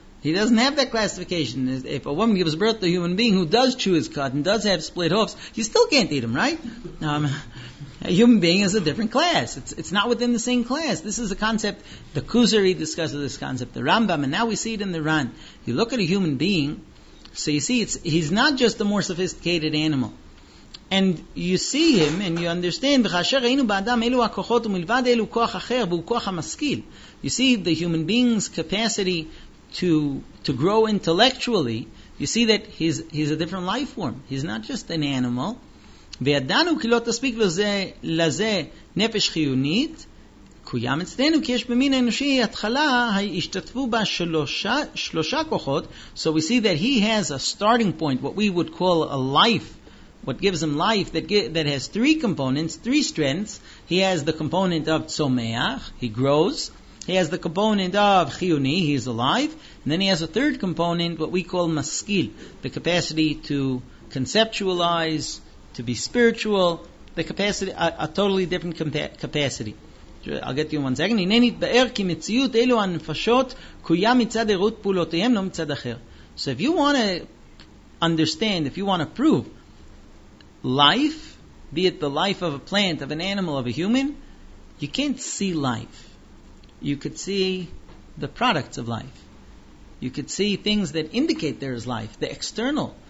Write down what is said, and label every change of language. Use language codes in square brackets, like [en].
[en] He doesn't have that classification. If a woman gives birth to a human being who does chew his cud and does have split hoofs, you still can't eat him, right? A human being is a different class. It's not within the same class. This is a concept, the Kuzari discusses this concept, the Rambam, and now we see it in the Ran. You look at a human being, so you see he's not just a more sophisticated animal. And you see him and you understand, [he] וכאשר ראינו באדם אלו הכוחות ומלבד אלו כוח אחר והוא כוח המשכיל. [en] You see the human being's capacity to grow intellectually. You see that he's a different life form. He's not just an animal. [he] וידענו כי לא תספיק לזה נפש חיונית. קוים אצלנו כי יש במין האנושי התחלה השתתפו בה שלושה כוחות. [en] So we see that he has a starting point, what we would call a life. What gives him life that has three components, three strengths. He has the component of tzomeach, he grows. He has the component of chiyuni, he is alive. And then he has a third component, what we call maskil, the capacity to conceptualize, to be spiritual, the capacity, a totally different capacity. I'll get you in one second. [he] הנה נתבאר כי מציאות אלו הנפשות קויה מצד עירות פעולותיהם, לא מצד אחר. [en] So if you want to understand, if you want to prove life, be it the life of a plant, of an animal, of a human, you can't see life. You could see the products of life. You could see things that indicate there is life, the external.